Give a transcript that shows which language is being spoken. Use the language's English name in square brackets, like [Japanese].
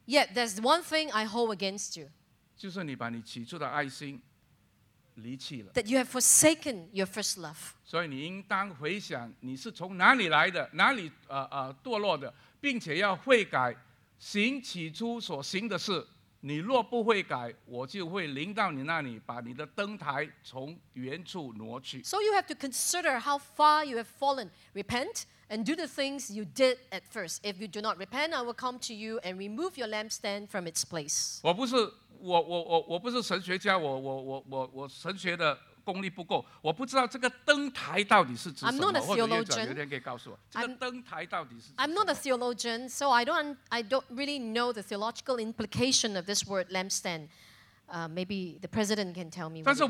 [English] yet there's one thing I hold against you. [Chinese] 就是你把你起初的爱心离弃了, [English] that you have forsaken your first love. [Chinese] 所以你应当回想你是从哪里来的, 哪里, 堕落的, 并且要悔改, 行起初所行的事, 你若不悔改，我就会临到你那里，把你的灯台从原处挪去。 [English] So you have to consider how far you have fallen. Repent and do the things you did at first. If you do not repent, I will come to you and remove your lampstand from its place. [Chinese] 我不是神学家，我神学的功力不够，我不知道这个灯台到底是指什么。 [English] I'm not a theologian. [Chinese] 有人可以告诉我，这个灯台到底是指什么？ [English] I'm not a theologian, so I don't really know the theological implication of this word lampstand. Maybe the president can tell me.